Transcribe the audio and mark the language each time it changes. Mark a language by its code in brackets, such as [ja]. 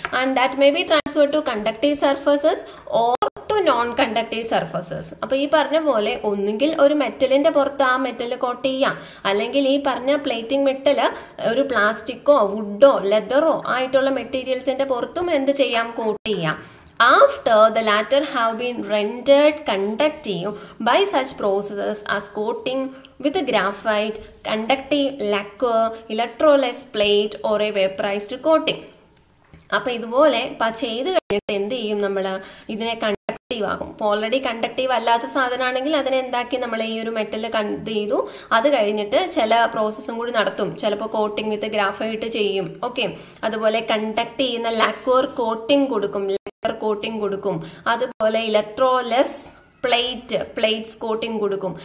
[en] And that may be transfer to conductive surfaces or to non conductive surfaces. [ml] അപ്പൊ ഈ പറഞ്ഞ പോലെ ഒന്നുകിൽ ഒരു മെറ്റലിന്റെ പുറത്ത് ആ മെറ്റൽ കോട്ട് ചെയ്യാം, അല്ലെങ്കിൽ ഈ പറഞ്ഞ പ്ലേറ്റിംഗ് മെറ്റല് ഒരു പ്ലാസ്റ്റിക്കോ വുഡോ ലെതറോ ആയിട്ടുള്ള മെറ്റീരിയൽസിന്റെ പുറത്തും എന്ത് ചെയ്യാം, കോട്ട് ചെയ്യാം. [en] After the latter have been rendered conductive by such processes as coating with graphite, conductive lacquer, electrolysis plate or a vaporized coating. [ml] അപ്പൊ ഇതുപോലെ ചെയ്തു കഴിഞ്ഞിട്ട് എന്ത് ചെയ്യും നമ്മൾ, ഇതിനെ കണ്ടക്റ്റീവ് ആകും. ഇപ്പൊ ഓൾറെഡി കണ്ടക്റ്റീവ് അല്ലാത്ത സാധനമാണെങ്കിൽ അതിനെ എന്താക്കി നമ്മൾ ഈ ഒരു മെറ്റൽ കണ്ട് ചെയ്തു, അത് കഴിഞ്ഞിട്ട് ചില പ്രോസസ്സും കൂടി നടത്തും, ചിലപ്പോൾ കോട്ടിംഗ് വിത്ത് ഗ്രാഫൈറ്റ് ചെയ്യും. ഓക്കെ, അതുപോലെ കണ്ടക്ട് ചെയ്യുന്ന ലാക്വർ കോട്ടിംഗ് കൊടുക്കും, ലെറ്റർ കോട്ടിംഗ് കൊടുക്കും, അതുപോലെ ഇലക്ട്രോലെസ് പ്ലേറ്റ്സ് കോട്ടിംഗ് കൊടുക്കും.